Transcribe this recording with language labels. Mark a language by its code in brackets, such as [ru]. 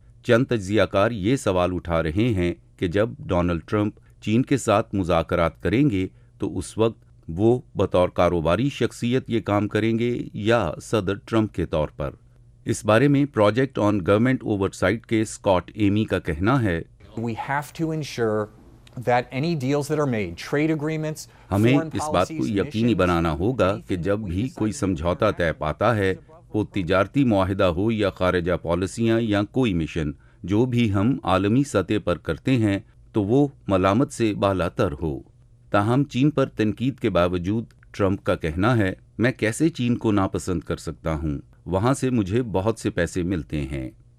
[ur] چند تجزیہ کار یہ سوال اٹھا رہے ہیں کہ جب ڈونلڈ ٹرمپ چین کے ساتھ مذاکرات کریں گے تو اس وقت وہ بطور کاروباری شخصیت یہ کام کریں گے یا صدر ٹرمپ کے طور پر۔ اس بارے میں project on government over site کے سکاٹ ایمی کا کہنا ہے، [en] We have to ensure that any deals that are made, trade agreements, [ur] ہمیں اس بات کو یقینی بنانا ہوگا کہ جب بھی کوئی سمجھوتا طے پاتا ہے، وہ تجارتی معاہدہ ہو یا خارجہ پالیسیاں یا کوئی مشن، جو بھی ہم عالمی سطح پر کرتے ہیں تو وہ ملامت سے بالا تر ہو۔ تاہم چین پر تنقید کے باوجود ٹرمپ کا کہنا ہے، میں کیسے چین کو ناپسند کر سکتا ہوں، وہاں سے مجھے بہت سے پیسے ملتے ہیں۔